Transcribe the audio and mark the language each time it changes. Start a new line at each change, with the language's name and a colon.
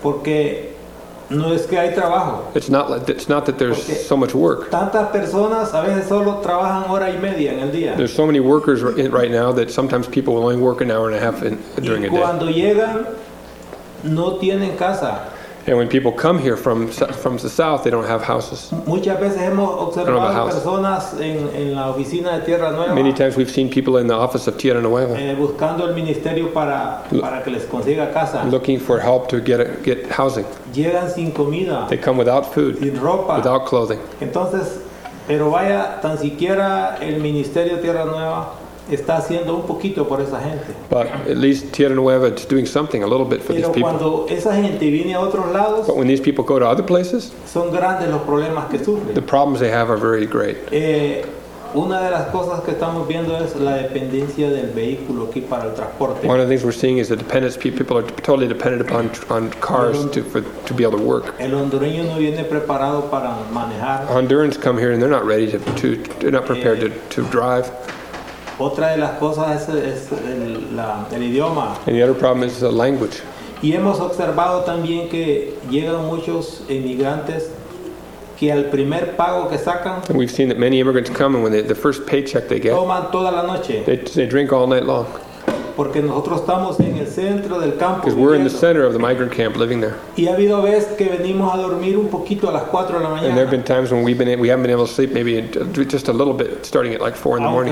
Spanish: Porque no es que hay trabajo.
English: It's not that there's
Spanish: porque
English: so much work.
Spanish: Tantas personas a veces solo trabajan hora y media en el día.
English: There's so many workers right now that sometimes people will only work an hour and a half during a day.
Spanish: Y cuando llegan no tienen casa.
English: And when people come here from the south, they don't have houses.
Spanish: Muchas veces hemos observado personas en la oficina de Tierra Nueva.
English: Many times we've seen people in the office of Tierra Nueva.
Spanish: Buscando el ministerio para que les consiga casa.
English: Looking for help to get housing.
Spanish: Llegan sin comida.
English: They come without food.
Spanish: Sin ropa.
English: Without clothing.
Spanish: Entonces, pero vaya, tan siquiera el ministerio de Tierra Nueva está haciendo un poquito por esa gente.
English: But at least Tierra Nueva is doing something a little bit for
Spanish: pero
English: these people.
Spanish: Cuando esa gente viene a otros lados,
English: but when these people go to other places,
Spanish: son grandes los problemas que sufren.
English: The problems they have are very great.
Spanish: Una de las cosas que estamos viendo es la dependencia del vehículo aquí para el transporte.
English: One of the things we're seeing is the dependence. People are totally dependent upon cars to be able to work.
Spanish: El hondureño no viene preparado para manejar.
English: Hondurans come here and they're not ready to they're not prepared to drive.
Spanish: Otra de las cosas es el idioma.
English: And the other problem is the language.
Spanish: Y hemos observado también que llegan muchos inmigrantes que al primer pago que sacan.
English: And we've seen that many immigrants come and when the first paycheck they get.
Spanish: Toman toda la noche.
English: They drink all night long.
Spanish: Porque nosotros estamos en el centro del campo.
English: Because we're in the center of the migrant camp, living there.
Spanish: Y ha habido veces que venimos a dormir un poquito a las 4 de la mañana.
English: And there have been times when we haven't been able to sleep, maybe just a little bit, starting at like 4 in the morning.